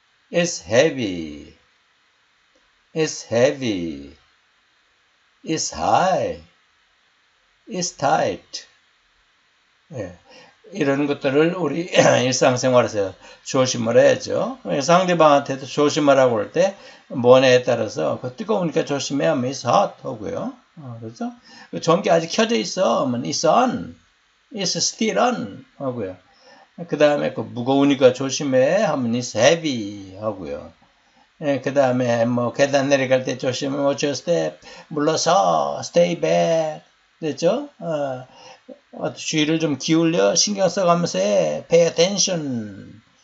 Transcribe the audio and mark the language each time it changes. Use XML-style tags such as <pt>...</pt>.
<en>It's heavy. It's heavy. It's high. It's tight. 예.</en> <ko>이런 것들을 우리 일상생활에서 조심을 해야죠. 상대방한테도 조심하라고 할 때, 뭐냐에 따라서, 그 뜨거우니까 조심해 하면</ko> <en>it's hot</en> <ko>하고요. 그렇죠? 그 전기 아직 켜져 있어 하면</ko> <en>it's on. It's still on</en> <ko>하고요. 그 다음에 그 무거우니까 조심해 하면</ko> <en>it's heavy</en> <ko>하고요. 예, 그 다음에 뭐 계단 내려갈 때 조심해,</ko> <en>watch your step,</en> <ko>물러서,</ko> <en>stay back.</en> <ko>됐죠? 주의를 좀 기울여, 신경 써가면서 해,</ko> <en>pay attention.</en>